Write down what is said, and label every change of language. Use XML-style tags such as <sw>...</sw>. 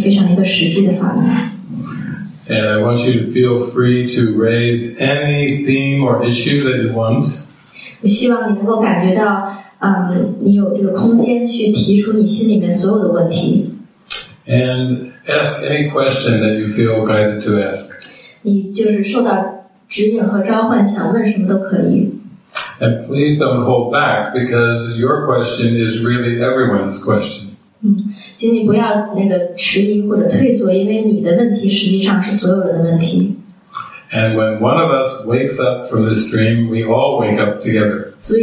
<en>And I want you to feel free to raise any theme or issue that you want.</en> <zh>我希望你能够感觉到你有这个空间去提出你心里面所有的问题。</zh> <en>And ask any question that you feel guided to ask.</en> <zh>你就是受到指引和召唤，想问什么都可以。</zh> <en>And please don't hold back, because your question is really everyone's question.</en> <zh>请你不要迟疑或者退缩，因为你的问题实际上是所有人的问题。</zh> <en>And when one of us wakes up from this dream, we all wake up together.</en>